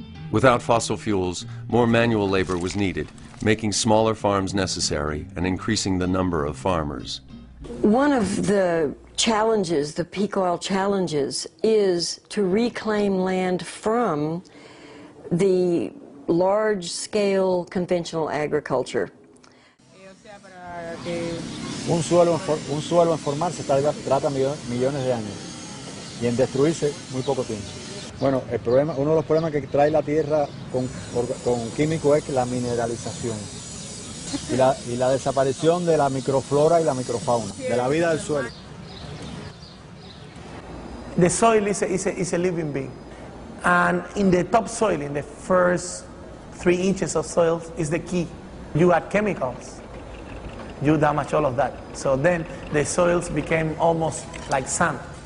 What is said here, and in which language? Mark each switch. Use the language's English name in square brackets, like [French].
[English] Without fossil fuels, more manual labor was needed, making smaller farms necessary and increasing the number of farmers. One of the challenges, the peak oil challenges, is to reclaim land from the large-scale conventional agriculture. [Spanish] Un suelo en formarse trata millones de años y en destruirse muy poco tiempo. Bueno, el problema, uno de los problemas que trae la tierra con químico es la mineralización y la desaparición de la microflora y la microfauna, de la vida del suelo. [English] The soil is a living being, and in the topsoil, in the first 3 inches of soil, is the key. You add chemicals, you damage all of that. So then the soils became almost like sand.